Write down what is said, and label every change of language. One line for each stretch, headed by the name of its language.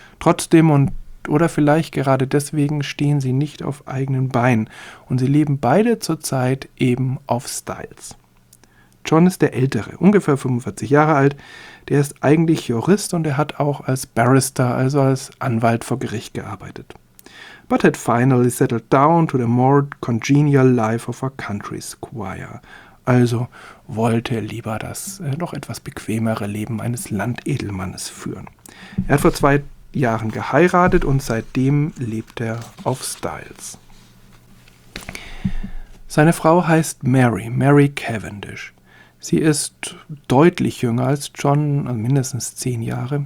German: Trotzdem und oder vielleicht gerade deswegen stehen sie nicht auf eigenen Beinen und sie leben beide zurzeit eben auf Styles. John ist der Ältere, ungefähr 45 Jahre alt, der ist eigentlich Jurist und er hat auch als Barrister, also als Anwalt vor Gericht gearbeitet.
English: But had finally settled down to the more congenial life of a country squire.
German: Also wollte er lieber das noch etwas bequemere Leben eines Landedelmannes führen. Er hat vor 2 Jahren geheiratet und seitdem lebt er auf Styles. Seine Frau heißt Mary Cavendish. Sie ist deutlich jünger als John, also mindestens 10 Jahre.